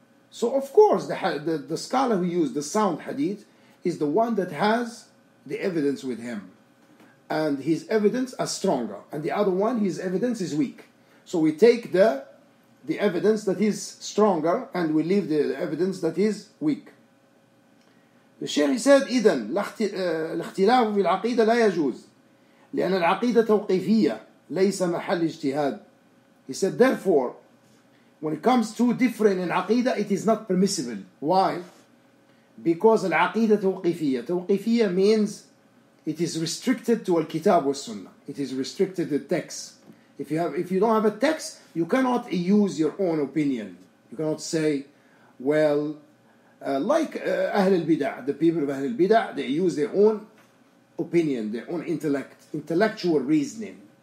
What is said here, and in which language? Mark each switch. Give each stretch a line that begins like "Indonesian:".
English: So, of course, the scholar who used the sound hadith is the one that has the evidence with him. And his evidence is stronger. And the other one, his evidence is weak. So we take the evidence that is stronger and we leave the evidence that is weak. The Shaykh said,
Arabic: إذن الاختلاف في العقيدة لا يجوز لأن العقيدة توقيفية ليس محل اجتهاد.
English: He said, therefore, when it comes to differing in عقيدة, it is not permissible. Why? Because
Arabic: العقيدة توقيفية. توقيفية
English: means it is restricted to
Arabic: الكتاب والسنة.
English: It is restricted to the text. If you don't have a text, you cannot use your own opinion. You cannot say, well, Ahl al-Bid'ah, the people of Ahl al-Bid'ah, they use their own opinion, their own intellect, intellectual reasoning.